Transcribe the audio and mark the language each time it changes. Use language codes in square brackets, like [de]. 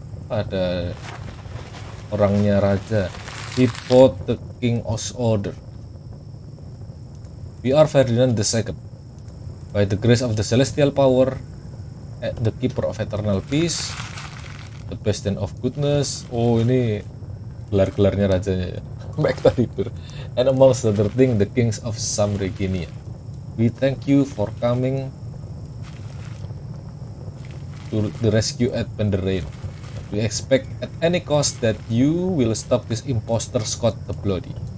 [id] Ada orangnya raja. [en] He bought the king's order. We are Ferdinand the Second. By the grace of the celestial power, the keeper of eternal peace, the bastion of goodness. [id] Oh, ini gelar-gelarnya rajanya ya. [en] Back to Reaper. And amongst the other things, the kings of Samreginia. We thank you for coming to the rescue at Pandarain. We expect at any cost that you will stop this imposter Scott the Bloody.